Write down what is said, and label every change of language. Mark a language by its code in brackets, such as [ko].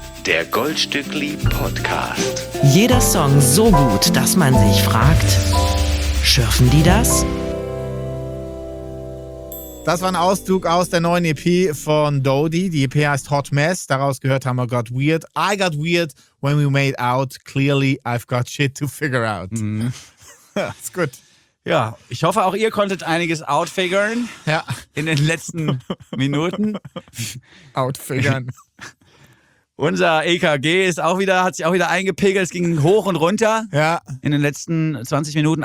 [de] Der Goldstückli-Podcast. Jeder Song so gut, dass man sich fragt, schürfen die das? Das war ein Auszug aus der neuen EP von Dodi. Die EP heißt Hot Mess. Daraus gehört haben wir Got Weird. [en] I got weird when we made out. Clearly I've got shit to figure out. Mhm. [de] Ja, ist gut. Ja, ich hoffe, auch ihr konntet einiges outfiguren in den letzten Minuten. Outfiguren. Unser EKG ist auch wieder, hat sich auch wieder eingepegelt. Es ging hoch und runter in den letzten 20 Minuten.